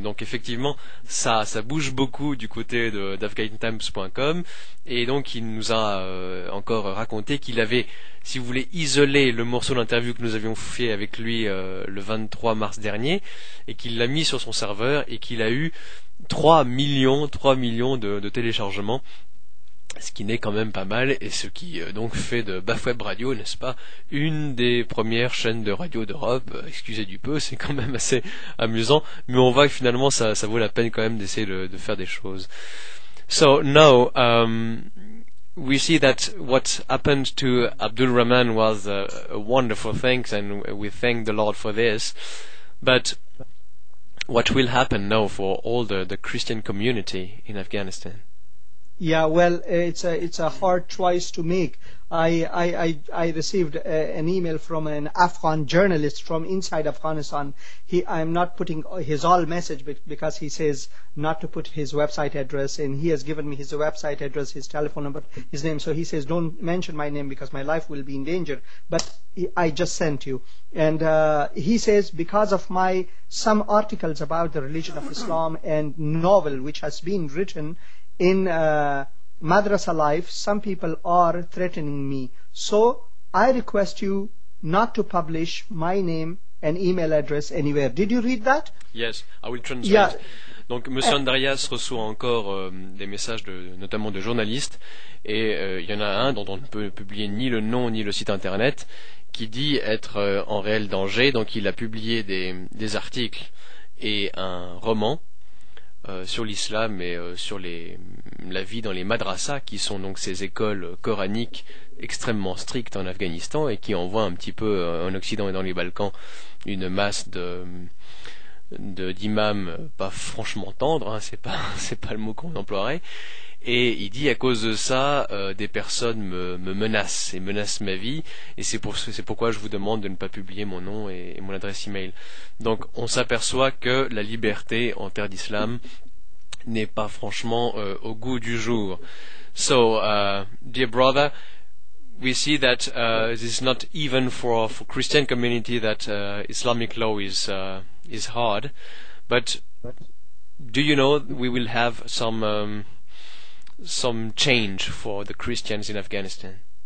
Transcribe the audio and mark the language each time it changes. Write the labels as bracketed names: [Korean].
[French] Donc effectivement, ça bouge beaucoup du côté d'AfghanTimes.com, et donc il nous a encore raconté qu'il avait, si vous voulez, isolé le morceau d'interview que nous avions fait avec lui le 23 mars dernier, et qu'il l'a mis sur son serveur, et qu'il a eu 3 millions de téléchargements. Ce qui n'est quand même pas mal, et ce qui donc fait de Bafweb Radio, n'est-ce pas, une des premières chaînes de radio d'Europe, excusez du peu, c'est quand même assez amusant, mais on voit que finalement ça vaut la peine quand même d'essayer de faire des choses. [English] So now, we see that what happened to Abdul Rahman was a wonderful thing, and we thank the Lord for this, but what will happen now for all the Christian community in Afghanistan? Yeah, well, it's a hard choice to make. I received an email from an Afghan journalist from inside Afghanistan. I'm not putting his all message, but because he says not to put his website address, and he has given me his website address, his telephone number, his name. So he says, don't mention my name because my life will be in danger. But I just sent you. And he says, because of some articles about the religion of Islam and novel which has been written in Madrasa Life, some people are threatening me. So I request you not to publish my name and email address anywhere. Did you read that? Yes, I will translate. Yeah. [French] Donc, Monsieur Andreas reçoit encore des messages, notamment de journalistes, et il y en a un dont on ne peut publier ni le nom ni le site internet, qui dit être en réel danger. Donc, il a publié des articles et un roman sur l'islam et sur la vie dans les madrassas, qui sont donc ces écoles coraniques extrêmement strictes en Afghanistan et qui envoient un petit peu en Occident et dans les Balkans une masse d'imams pas franchement tendres, hein, c'est pas le mot qu'on emploierait. Et il dit, à cause de ça, des personnes me menacent et menacent ma vie, et c'est pourquoi je vous demande de ne pas publier mon nom et mon adresse email. Donc on s'aperçoit que la liberté en terre d'islam n'est pas franchement au goût du jour. [English] So, dear brother, we see that this is not even for Christian community that Islamic law is hard, but do you know we will have some change for the Christians in Afghanistan?